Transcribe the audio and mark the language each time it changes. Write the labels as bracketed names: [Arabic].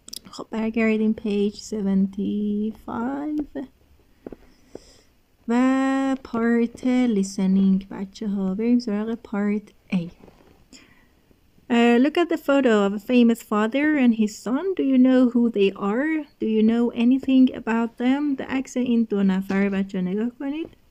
[Persian] خب برگردیم page 75 و part listening بچه ها بریم سراغ part A. [English] Look at the photo of a famous father and his son. Do you know who they are? Do you know anything about them? The accent in [Persian] دو نفر بچه نگاه کنید.